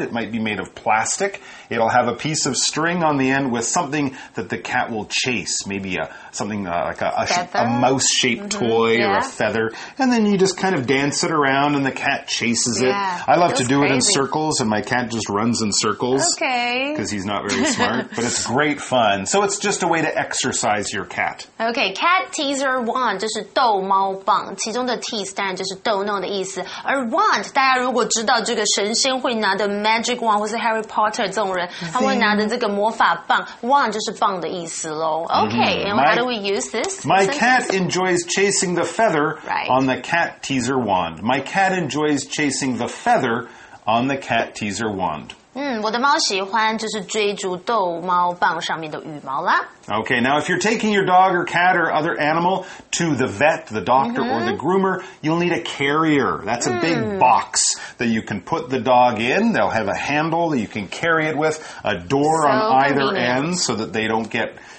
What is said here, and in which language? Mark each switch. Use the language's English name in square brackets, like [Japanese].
[English] It might be made of plastic. It'll have a piece of string on the end with something that the cat will chase, maybe a mouse-shaped toy or a feather, and then you just kind of dance it around and the cat chases it. I love to do it in circles, and my cat just runs in circles. Okay. Because he's not very smart, but it's great fun. So it's just a way to exercise your cat. [Chinese] Okay, cat teaser wand 就是逗猫棒，其中的 tease 当然就是逗弄的意思。而 wand 大家如果知道这个神仙会拿的 magic wand 或是 Harry Potter 这种人，他会拿的这个魔法棒 ，wand 就是棒的意思喽。 [English] Okay, and how do we use this? My cat enjoys chasing the feather on the cat teaser wand. My cat enjoys chasing the feather on the cat teaser wand. [Chinese] 我的猫喜欢就是追逐逗猫棒上面的羽毛啦。 [English] Okay, now if you're taking your dog or cat or other animal to the vet, the doctor, or the groomer, you'll need a carrier. That's a big box that you can put the dog in. They'll have a handle that you can carry it with, a door on either end so that they don't get...